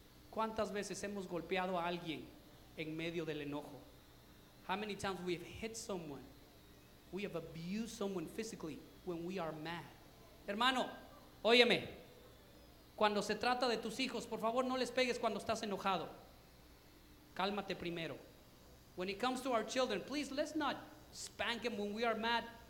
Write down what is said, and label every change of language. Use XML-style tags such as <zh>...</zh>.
<es>¿Cuántas veces hemos golpeado a alguien en medio del enojo?</es> <en>How many times we have hit someone, we have abused someone physically when we are mad?</en> <es>Hermano, óyeme, cuando se trata de tus hijos, por favor no les pegues cuando estás enojado. Cálmate primero.</es> <en>When it comes to our children, please, let's not spank them when we are mad.</en>